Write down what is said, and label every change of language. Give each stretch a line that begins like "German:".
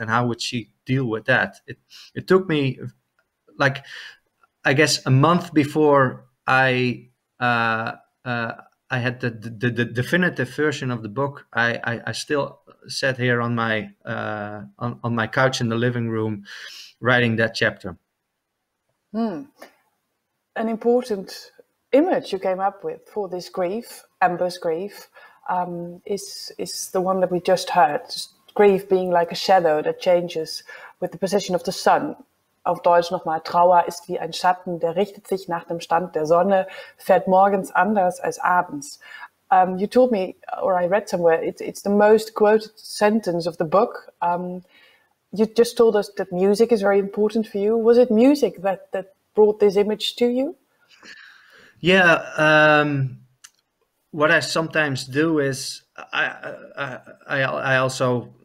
English: And how would she deal with that? It took me like, I guess a month before I had the definitive version of the book, I still sat here on my on my couch in the living room writing that chapter. An important image you came up with for this grief, Amber's grief, is the one that we just heard. Grief being like a shadow that changes with the position of the sun.
German: Auf Deutsch nochmal, Trauer ist wie ein Schatten, der richtet sich nach dem Stand der Sonne, fährt morgens anders als abends.
English: You told me, or I read somewhere, it's the most quoted sentence of the book. You just told us that music is very important for you. Was it music that brought this image to you? Yeah, what I sometimes do is, I also...